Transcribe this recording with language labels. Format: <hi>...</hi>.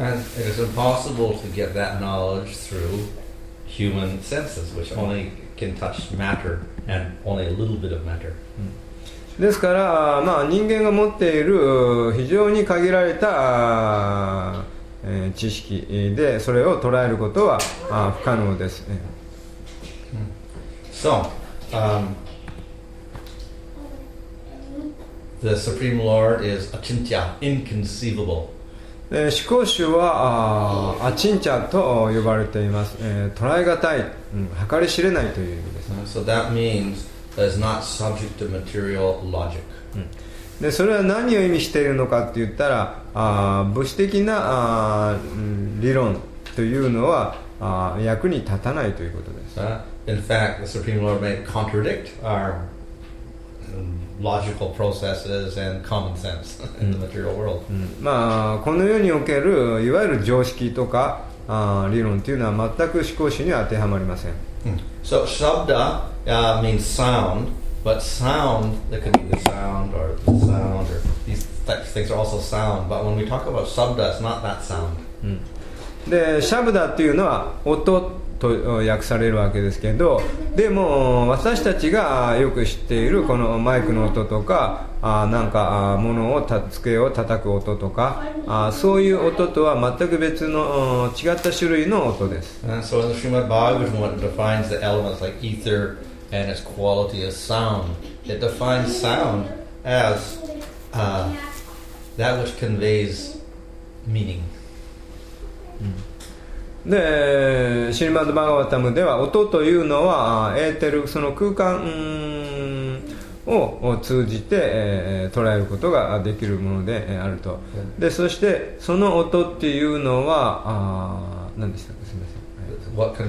<en>And it is impossible to get that knowledge through human senses, which only can touch matter and only a little bit of matter.</en> <ja>ですから、まあ、人間が持っている非常に限られた知識でそれを捉えることは不可能です。</ja> <en>So, the Supreme Lord is achintya, inconceivable.</en> <ja>思考主はアチンチャと呼ばれています。捉えがたい、計り知れないという意味です。</ja> <en>So that means that is not subject to material logic.</en> <ja>で、それは何を意味しているのかって言ったら、物質的な理論というのは役に立たないということです。</ja> <en>In fact, the Supreme Lord may contradict our logical processes and common sense in the material world.</en> <ja>まあこの世におけるいわゆる常識とか理論というのは全く思考主には当てはまりません。</ja> <en>So shabda means sound, but sound there could be the sound or these types of things are also sound. But when we talk about shabda, it's not that sound.</en> <ja>で、シャブダっていうのは音と訳されるわけですけど、でも私たちがよく知っているこのマイクの音とか、なんか物を机を叩く音とか、そういう音とは全く別の違った種類の音です。</ja> <en>So in the Srimad Bhagavatam defines the elements like ether and its quality as sound. It defines sound as that which conveys meaning.</en> <ja>で、シリマド・バガワタムでは音というのはエーテル、その空間を通じて捉えることができるものであると。で、そしてその音っていうのは何でしたか、すみません、</ja>